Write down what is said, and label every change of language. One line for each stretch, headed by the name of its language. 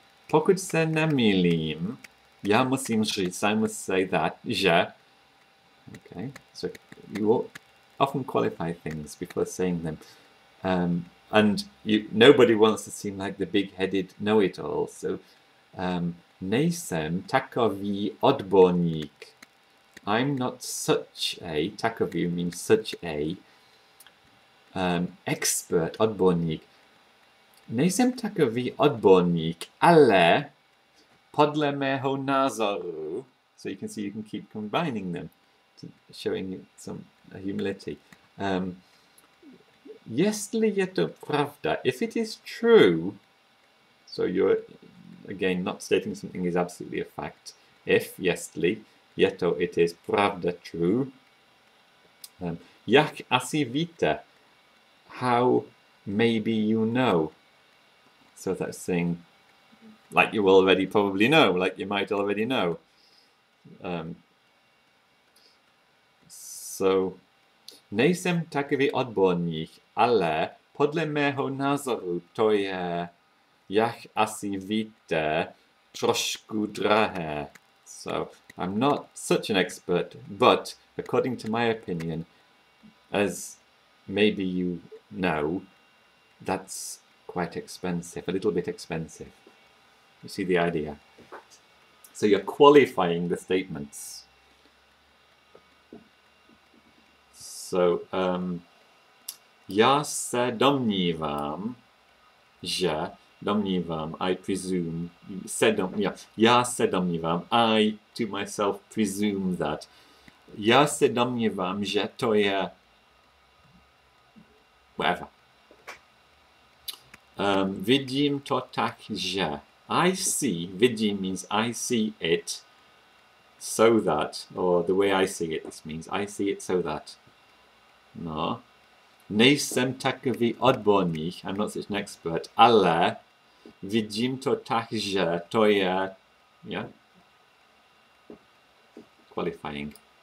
Czech: Pokud se nemýlím, já musím říct,
English: I must say that,
Czech: že.
English: Okay, so you will often qualify things before saying them. And you, nobody wants to seem like the big-headed know-it-all.
Czech: So, nejsem takový odborník.
English: I'm not such a, takový means such a, expert, odborník.
Czech: Nejsem takový odborník, ale podle mého názoru.
English: So you can see you can keep combining them, to showing you some humility.
Czech: Jestli je to pravda,
English: if it is true, so you're, again, not stating something is absolutely a fact, if, jestli, yeto, it is pravda, true.
Czech: Jak asi víte,
English: how maybe you know. So that's saying, like you already probably know, like you might already know.
Czech: So, nejsem takový odborník, ale podle mého názoru to je, jak asi víte, trošku drahé.
English: So, I'm not such an expert, but according to my opinion, as maybe you know, that's quite expensive, a little bit expensive. You see the idea. So you're qualifying the statements.
Czech: So, já se domnívám, že, domnívám,
English: I presume,
Czech: se dom, yeah. Já se domnívám,
English: I to myself presume that.
Czech: Já se domnívám, že to je, whatever. Vidím to tak, že.
English: I see, vidím means I see it so that, or the way I see it, this means I see it so that. No.
Czech: Nejsem takový odborník,
English: I'm not such an expert,
Czech: ale vidím to tak, že to je, yeah?
English: Qualifying.